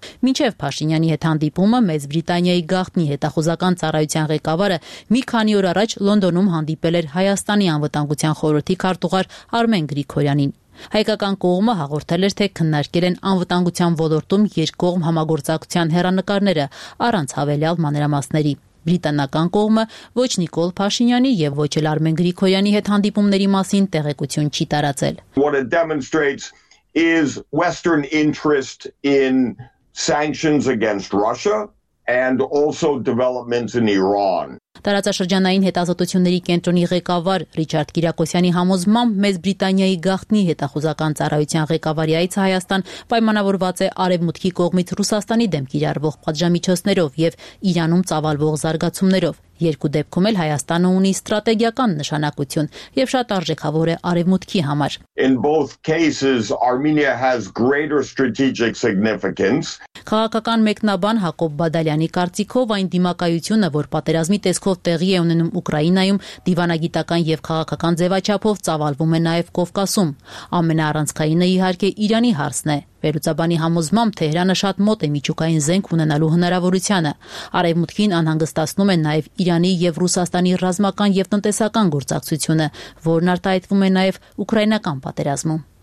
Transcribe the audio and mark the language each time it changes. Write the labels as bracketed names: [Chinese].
[Armenian] Մինչև Փաշինյանի հետ հանդիպումը Մեծ Բրիտանիայի գաղտնի հետախուզական ծառայության ղեկավարը մի քանի օր առաջ Լոնդոնում հանդիպել էր Հայաստանի անվտանգության խորհրդի քարտուղար Արմեն Գրիգորյանին։ Հայկական կողմը հաղորդել էր, թե քննարկել են անվտանգության ոլորտում երկկողմ համագործակցության հեռանկարները առանց հավելյալ մանրամասների։ Բրիտանական կողմը ոչ Նիկոլ Փաշինյանի և ոչ էլ Արմեն Գրիգորյանի հետ հանդիպումների մասին տեղեկություն չի տարածել։ [English] Is Western interest in sanctions against Russia and also developments in Iran. [Armenian] Տարածաշրջանային հետազոտությունների կենտրոնի ղեկավար Ռիչարդ Կիրակոսյանի համոզմամբ Մեծ Բրիտանիայի գաղտնի հետախուզական ծառայության ղեկավարի այցը Հայաստան պայմանավորված է արևմուտքի կողմից Ռուսաստանի դեմ կիրառվող պատժամիջոցներով և Իրանում ծավալվող զարգացումներով։ Երկու դեպքում էլ Հայաստանը ունի ստրատեգիական նշանակություն և շատ արժեքավոր է արևմուտքի համար։ [English] In both cases, Armenia has greater strategic significance. [Armenian] Քաղաքական մեկնաբան Հակոբ Բադալյանի կարծիքով այն դիմակայությունը, որ պատերազմի տեսքով տեղի է ունենում Ուկրաինայում, դիվանագիտական և քաղաքական ձևաչափով ծավալվում է նաև Կովկասում։ Ամենաառանցքայինը իհարկե Իրանի հարցն է։ Վերուցաբանի համոզմամբ Թեհրանը շատ մոտ է միջուկային զենք ունենալու հնարավորությանը։ Արևմուտքին անհանգստացնում է նաև Իրանի և Ռուսաստանի ռազմական և տնտեսական գործակցությունը, որն արտահայտվում է նաև ուկրաինական պատերազմում։